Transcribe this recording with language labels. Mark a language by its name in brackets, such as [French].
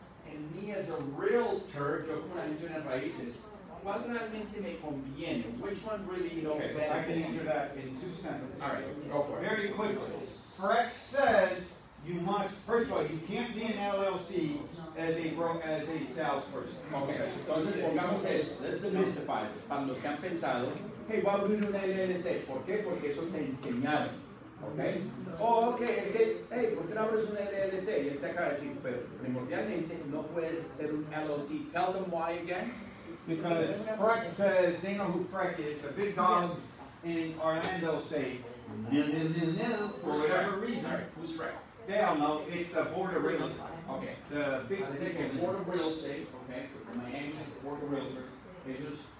[English] And me as a realtor, [Spanish] yo como una agencia de raíces, ¿cuál realmente me conviene? [English] Which one really, you know, okay, I can answer that in two sentences. All right, go for it. Very quickly. Freck says you must, first of all, you can't be an LLC as a salesperson. [Spanish] Okay, entonces pongamos esto. [English] Let's demystify this. [Spanish] Para los que han pensado, hey, voy a abrir una LLC. ¿Por qué? Porque eso te enseñaron. Okay. Oh, okay. Es que, hey, ¿por qué no abres un LLC? Y él te acaba de decir, pero primordialmente no puedes ser un LLC. [English] Tell them why again. Because Freck says, they know who Freck is, the big dogs in Orlando say, no, for whatever reason. Who's Freck? They all know, it's the Board of Realtors. Okay. The big Board of Realtors, okay, from Miami, the Board of Realtors.